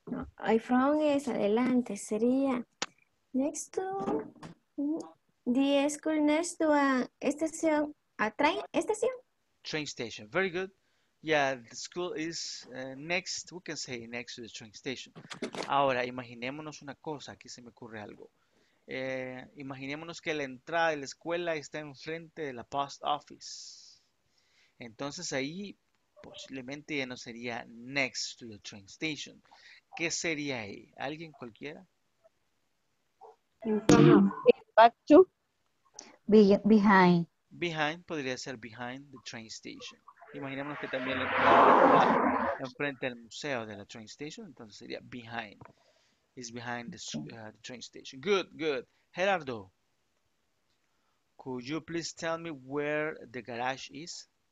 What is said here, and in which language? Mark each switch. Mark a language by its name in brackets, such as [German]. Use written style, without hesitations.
[English] No, I from is [Spanish] adelante, sería [English] next to the school, next to a [Spanish] estación, [English] a train station. Train station, very good. Yeah, the school is next, we can say next to the train station. [Spanish] Ahora, imaginémonos una cosa, aquí se me ocurre algo. Imaginémonos que la entrada de la escuela está enfrente de la post office. Entonces ahí posiblemente ya no sería [English] next to the train station. [Spanish] ¿Qué sería ahí? ¿Alguien cualquiera? [English] Back to behind. Behind [Spanish] podría ser [English] behind the train station. [Spanish] Imaginémonos que también la entrada está enfrente del museo de la train station, entonces sería behind. [English] Is behind the train station. Good, good. Gerardo, could you please tell me where the garage is?